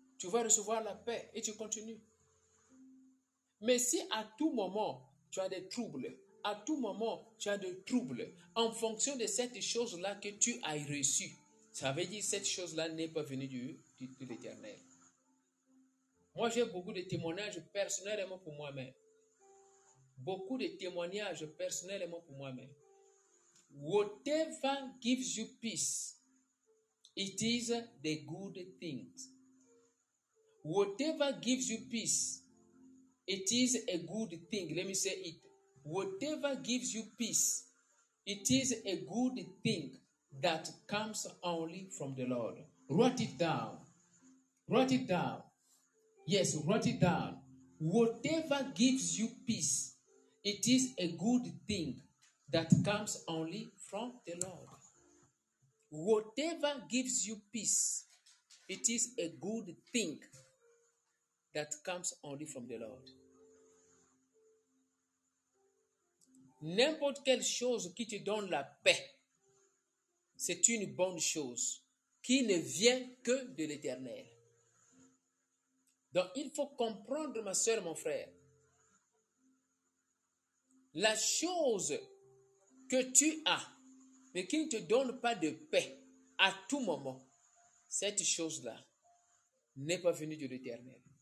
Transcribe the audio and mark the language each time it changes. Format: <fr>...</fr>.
<fr>Tu vas recevoir la paix et tu continues. Mais si à tout moment, tu as des troubles, à tout moment, tu as des troubles, en fonction de cette chose-là que tu as reçue, ça veut dire que cette chose-là n'est pas venue de l'Éternel. Moi, j'ai beaucoup de témoignages personnellement pour moi-même. Beaucoup de témoignages personnellement pour moi-même.</fr> <en>Whatever gives you peace, it is the good things. Whatever gives you peace, It is a good thing. Let me say it. Whatever gives you peace, it is a good thing that comes only from the Lord. Write it down. Write it down. Yes, write it down. Whatever gives you peace, it is a good thing that comes only from the Lord. Whatever gives you peace, it is a good thing that comes only from the Lord.</en> <fr>N'importe quelle chose qui te donne la paix, c'est une bonne chose qui ne vient que de l'Éternel. Donc, il faut comprendre, ma soeur, mon frère, la chose que tu as, mais qui ne te donne pas de paix à tout moment, cette chose-là n'est pas venue de l'Éternel.</fr>